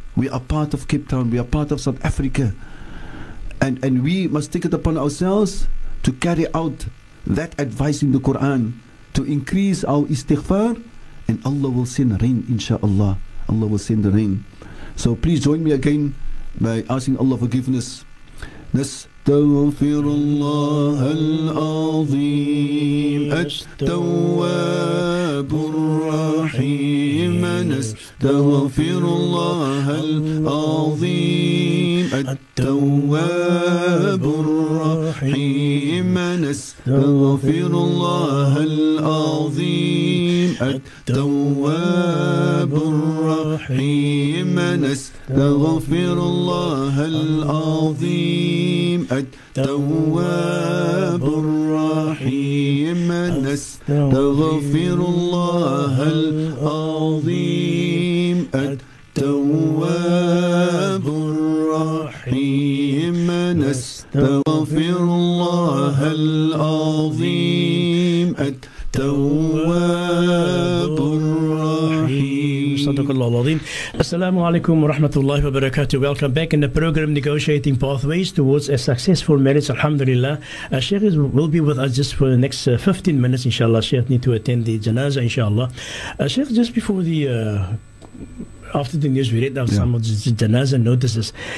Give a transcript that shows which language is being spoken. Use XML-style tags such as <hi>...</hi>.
<en>We are part of Cape Town. We are part of South Africa. And we must take it upon ourselves to carry out that advice in the Quran, to increase our istighfar, and Allah will send rain, inshallah. Allah will send the rain. So please join me again by asking Allah forgiveness.</en> <ar>نستغفر الله العظيم التواب الرحيم نستغفر الله العظيم التواب الرحيم نستغفر الله العظيم التواب الرحيم نستغفر الله العظيم التواب الرحيم نستغفر الله العظيم التواب الرحيم نستغفر الله العظيم التواب الرحيم.</ar> <en>Assalamu alaikum wa rahmatullahi wa barakatuh. Welcome back in the program Negotiating Pathways Towards a Successful Marriage. Alhamdulillah. Sheikh will be with us just for the next 15 minutes, inshallah. Sheikh need to attend the janaza, inshallah. Sheikh, just before the after the news, we read out some of the janaza notices.</en>